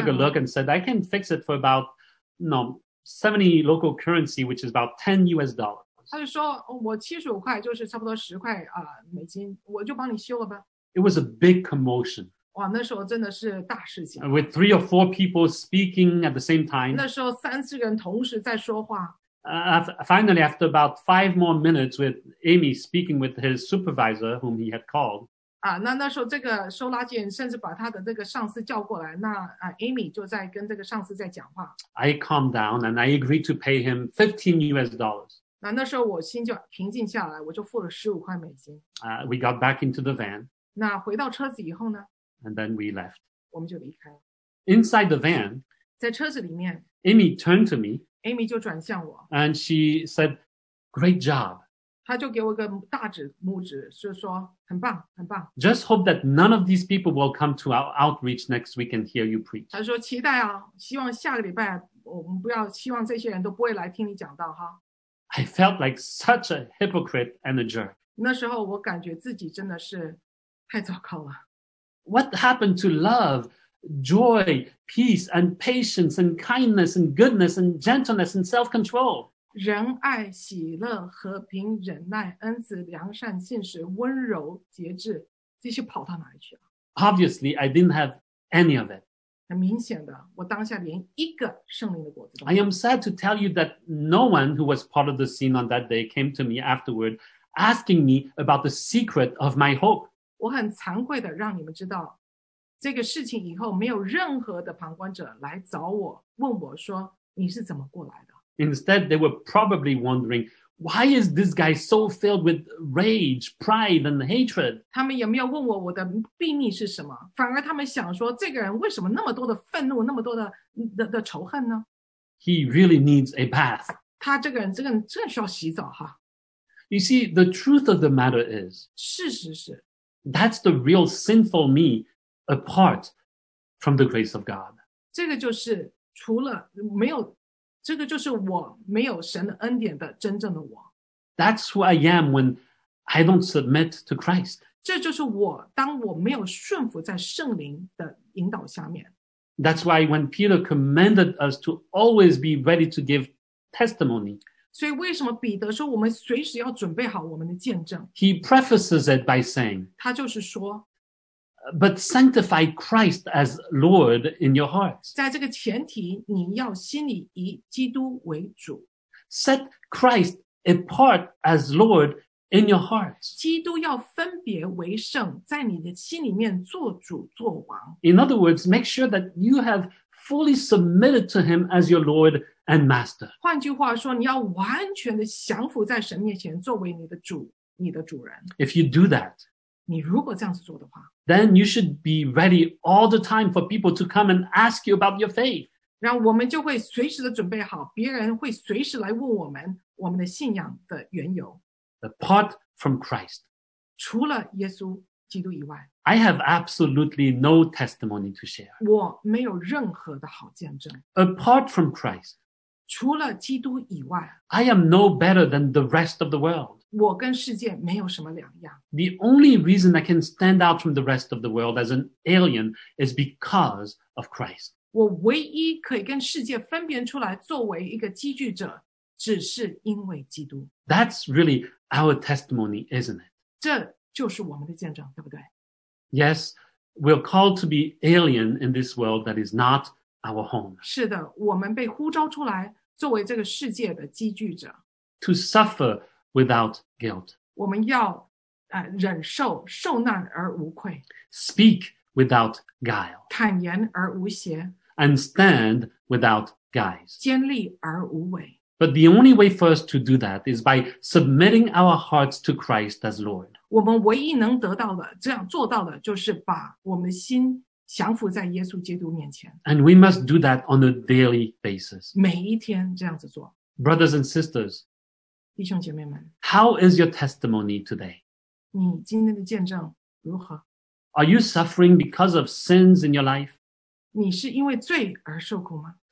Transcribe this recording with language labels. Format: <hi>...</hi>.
<en>He took a look and said, I can fix it for about 70 local currency, which is about $10.</en> <zh>他就说我75块就是差不多10块美金，我就帮你修了吧。</zh> <en>It was a big commotion.</en> <zh>哇，那时候真的是大事情。</zh> <en>With 3 or 4 people speaking at the same time.</en> <zh>那时候三四个人同时在说话。</zh> <en>Finally, after about 5 more minutes with Amy speaking with his supervisor whom he had called.</en> <zh>那时候这个收垃圾人甚至把他的这个上司叫过来，那Amy 就在跟这个上司在讲话。</zh> <en>I calmed down and I agreed to pay him $15.</en> <zh>那时候我心就平静下来，我就付了15块美金。</zh> <en>We got back into the van.</en> <zh>那回到车子以后呢？</zh> <en>And then we left.</en> <zh>我们就离开了。</zh> <en>Inside the van,</en> <zh>在车子里面，</zh> <en>Amy turned to me.</en> <zh>Amy 就转向我。</zh> <en>And she said, great job.</en> <zh>她就给我个大指拇指，就说很棒，很棒。</zh> <en>Just hope that none of these people will come to our outreach next week and hear you preach.</en> <zh>她说期待希望下个礼拜我们不要，希望这些人都不会来听你讲道哈。</zh> <en>I felt like such a hypocrite and a jerk.</en> <zh>那时候我感觉自己真的是太糟糕了。</zh> <en>What happened to love, joy, peace, and patience, and kindness, and goodness, and gentleness, and self-control?</en> <zh>仁爱、喜乐、和平、忍耐、恩慈、良善、信实、温柔、节制，这些跑到哪里去了？</zh> <en>Obviously, I didn't have any of it.</en> <zh>很明显的，我当下连一个圣灵的果子都没有。</zh> <en>I am sad to tell you that no one who was part of the scene on that day came to me afterward asking me about the secret of my hope.</en> <zh>我很惭愧的让你们知道，这个事情以后没有任何的旁观者来找我，问我说你是怎么过来的。</zh> <en>Instead, they were probably wondering, why is this guy so filled with rage, pride, and hatred?</en> <zh>他们也没有问我的秘密是什么，反而他们想说这个人为什么那么多的愤怒，那么多 的仇恨呢？</zh> <en>He really needs a bath.</en> <zh>他这个人需要洗澡哈。</zh> <en>You see, the truth of the matter is,</en> <zh>事实是，</zh> <en>that's the real sinful me apart from the grace of God.</en> <zh>这个就是除了没有这个就是我没有神的恩典的真正的我。</zh> <en>That's who I am when I don't submit to Christ.</en> <zh>这就是我当我没有顺服在圣灵的引导下面。</zh> <en>That's why when Peter commanded us to always be ready to give testimony.</en> <zh>所以为什么彼得说我们随时要准备好我们的见证？</zh> <en>He prefaces it by saying,</en> <zh>他就是说</zh> <en>But sanctify Christ as Lord in your hearts.</en> <zh>在这个前提，你要心里以基督为主。</zh> <en>Set Christ apart as Lord in your hearts.</en> <zh>基督要分别为圣，在你的心里面做主做王。</zh> <en>In other words, make sure that you have fully submitted to him as your Lord and Master.</en> <zh>换句话说，你要完全的降服在神面前，作为你的主，你的主人。</zh> <en>If you do that,</en> <zh>你如果这样子做的话，</zh> <en>then you should be ready all the time for people to come and ask you about your faith.</en> <zh>然后我们就会随时的准备好，别人会随时来问我们我们的信仰的缘由。</zh> <en>Apart from Christ,</en> <zh>除了耶稣基督以外，</zh> <en>I have absolutely no testimony to share.</en> <zh>我没有任何的好见证。</zh> <en>Apart from Christ,</en> <zh>除了基督以外，</zh> <en>I am no better than the rest of the world.</en> <zh>我跟世界没有什么两样。</zh> <en>The only reason I can stand out from the rest of the world as an alien is because of Christ.</en> <zh>我唯一可以跟世界分辨出来作为一个寄居者，只是因为基督。</zh> <en>That's really our testimony, isn't it?</en> <zh>这就是我们的见证，对不对？</zh> <en>Yes, we're called to be alien in this world that is not our home.</en> <zh>是的，我们被呼召出来作为这个世界的寄居者。</zh> <en>To suffer without guilt.</en> <zh>我们要忍受受难而无愧。</zh> <en>Speak without guile.</en> <zh>坦言而无邪。</zh> <en>And stand without guise.</en> <zh>坚立而无伪。</zh> <en>But the only way for us to do that is by submitting our hearts to Christ as Lord.</en> <zh>我们唯一能得到的，这样做到的，就是把我们的心降服在耶稣基督面前。</zh> <en>And we must do that on a daily basis.</en> <zh>每一天这样子做。</zh> <en>Brothers and sisters,</en> <zh>弟兄姐妹们，</zh> <en>How is your testimony today?</en> <zh>你今天的见证如何？</zh> <en>Are you suffering because of sins in your life?</en> <zh>你是因为罪而受苦吗？</zh>